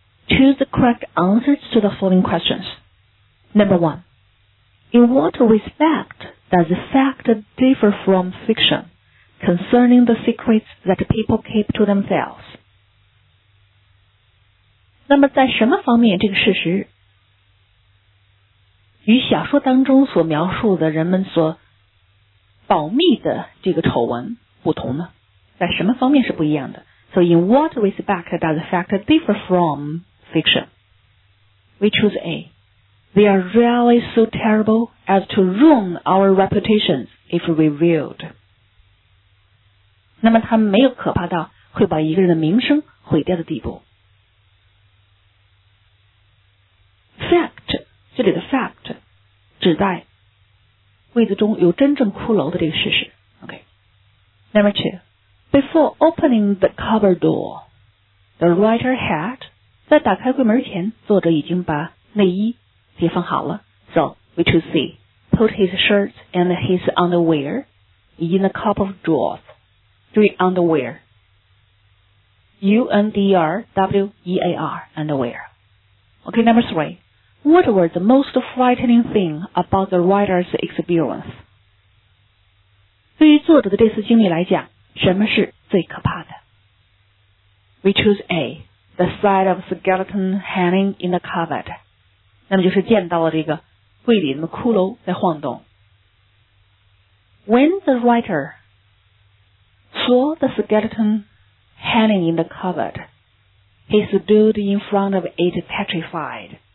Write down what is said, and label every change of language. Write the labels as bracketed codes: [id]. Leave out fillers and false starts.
[en] Choose the correct answers to the following questions. Number 1. In what respect does the fact differ from fiction concerning the secrets that people keep to themselves? [zh] 那么在什么方面这个事实与小说当中所描述的人们所保密的这个丑闻不同呢？在什么方面是不一样的？ [en] So in what respect does the fact differ from fiction? We choose A. They are really so terrible as to ruin our reputations if revealed. [zh] 那么他们没有可怕到会把一个人的名声毁掉的地步。 Fact, 这里的 fact, 指代位子中有真正骷髅的这个事实。 [en] Okay. Number two, before opening the cupboard door, the writer had, [zh] 在打开柜门前作者已经把内衣给放好了。 [en] So, we choose C, put his shirt and his underwear in the cupboard drawers. [zh] 注意 [en] underwear. U-N-D-R-W-E-A-R, underwear. Okay, number three. What were the most frightening thing about the writer's experience? [zh] 对于作者的这次经历来讲，什么是最可怕的？ [en] We choose A, the sight of skeleton hanging in the cupboard. [zh] 那么就是见到了这个柜里的骷髅在晃动。 [en] When the writer saw the skeleton hanging in the cupboard, he stood in front of it petrified.